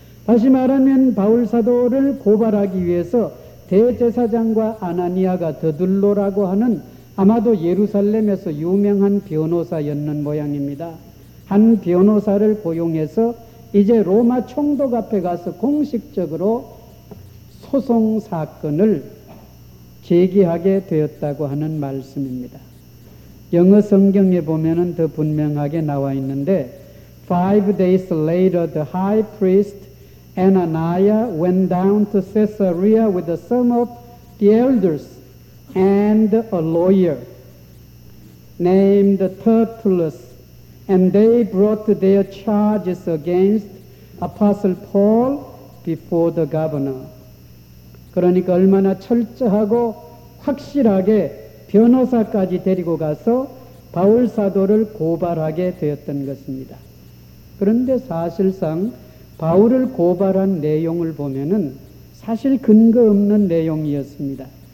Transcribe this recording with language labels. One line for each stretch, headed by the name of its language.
Korean: 다시 말하면 바울사도를 고발하기 위해서 대제사장과 아나니아가 더들로라고 하는 아마도 예루살렘에서 유명한 변호사였는 모양입니다. 한 변호사를 고용해서 이제 로마 총독 앞에 가서 공식적으로 소송 사건을 제기하게 되었다고 하는 말씀입니다. 영어 성경에 보면은 더 분명하게 나와 있는데
English: Five days later, the high priest Ananias went down to Caesarea with some of the elders and a lawyer named Tertullus, and they brought their charges against Apostle Paul before the governor.
Korean: 그러니까 얼마나 철저하고 확실하게 변호사까지 데리고 가서 바울 사도를 고발하게 되었던 것입니다. 그런데 사실상 바울을 고발한 내용을 보면은 사실 근거 없는 내용이었습니다.